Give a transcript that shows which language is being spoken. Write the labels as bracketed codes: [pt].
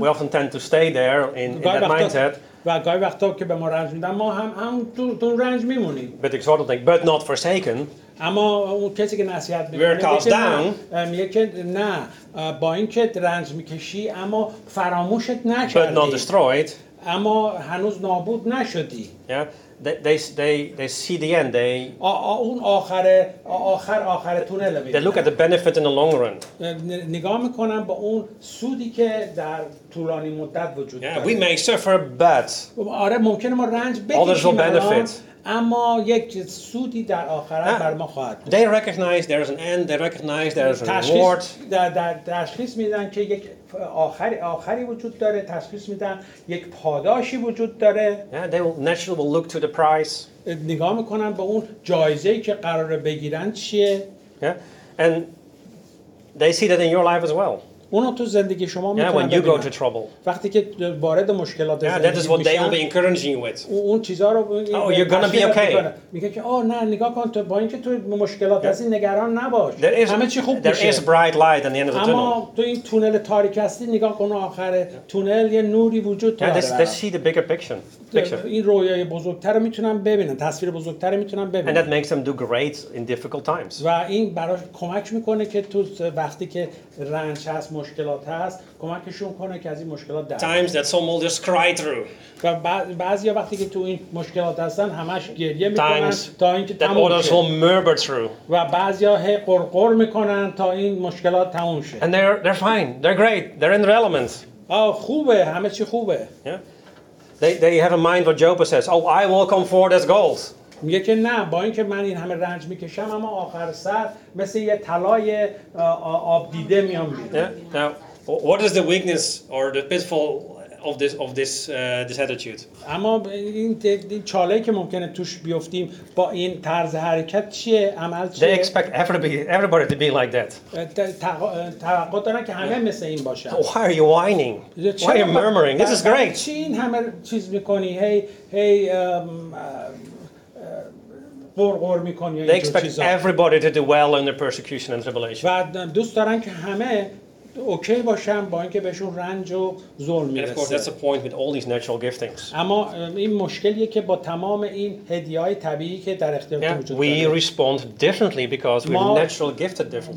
[en] We often tend to stay there in that mindset. [fa] و گاهی وقتا که به ما رنج میدن ما هم همون رنج میمونیم. [en] But it's sort of like, but not forsaken. [fa] اما اون کسی که نصیحت میکنه میگه که نه، با اینکه رنج میکشی اما فراموشت نکردی. [en] But not destroyed. [fa] اما هنوز نابود نشدی. [en] Yeah. They see the end. They. [fa] اون آخر تونل میبینن. [en] They look at the benefit in the long run. [fa] نگاه میکنن به اون سودی که در طولانی مدت وجود داره. [en] Yeah, we may suffer, but. [fa] آره ممکنه ما رنج بکشیم. [en] Others will benefit. [fa] اما یک سودی در آخر بر ما خواهد بود. [en] They recognize there is an end. They recognize there is a reward. [fa] تشخیص میدن که یک آخری وجود داره، تشخیص میدن یک پاداشی وجود داره. [en] Yeah, they will naturally look to the price. [fa] نگاه میکنن به اون جایزه‌ای که قراره بگیرن چیه. [en] Yeah, and they see that in your life as well. [fa] اونو تو زندگی شما میتونن ببینن. [en] Yeah, when you go to trouble. [fa] وقتی که وارد مشکلات زندگی میشن. [en] Yeah, that is what they will be encouraging you with. [fa] اون چیزا رو [en] you're gonna be okay. [fa] میگه که نه نگاه کن تو با اینکه تو مشکلات هستی نگران نباش. همه چی خوب میشه. [en] There is bright light at the end of the tunnel. [fa] اما تو این تونل تاریک هستی نگاه کن آخر تونل یه نوری وجود داره. [en] Yeah, they see the bigger picture. [fa] این رویای بزرگتر رو میتونن ببینن. تصویر بزرگتر رو میتونن ببینن. [en] And that makes them do great in difficult times. [fa] و این براش کمک میکنه که تو وقتی که رنج هست مشکلات هست کمکشون کنه که از این مشکلات در [en] Times that some will just cry through. [fa] بعضی وقتی که تو این مشکلات هستن همش گریه میکنن [en] Times [fa] تا اینکه تموم شه. [en] Times that others will murmur through. [fa] و بعضیا هی قرقر میکنن تا این مشکلات تموم شه. [en] And they're fine. They're great. They're in their element. [fa] خوبه، همه چی خوبه. [en] Yeah. They have a mind what Job says. Oh, I will come forward as gold. [fa] میگه که نه، با اینکه من این همه رنج میکشم اما آخر سر مثل یه طلای آب دیده میام بیرون. [en] Yeah. Now, what is the weakness or the pitfall of this attitude? [fa] اما این چاله که ممکنه توش بیفتیم با این طرز حرکت چیه؟ عمل چیه؟ [en] They expect everybody to be like that. [fa] توقع دارن که همه مثل این باشن. [en] Why are you whining? Why are you murmuring? This is great. [fa] چی این همه چیز میکنی؟ Hey. [en] They expect everybody to do well under persecution and tribulation. [fa] و دوست دارن که همه اوکی باشن با اینکه بهشون رنج و ظلم میرسه. [en] And of course that's a point with all these natural giftings. [fa] اما این مشکلیه که با تمام این هدیه‌های طبیعی که در اختیار وجود داره. [en] We respond differently because we're natural gifted differently.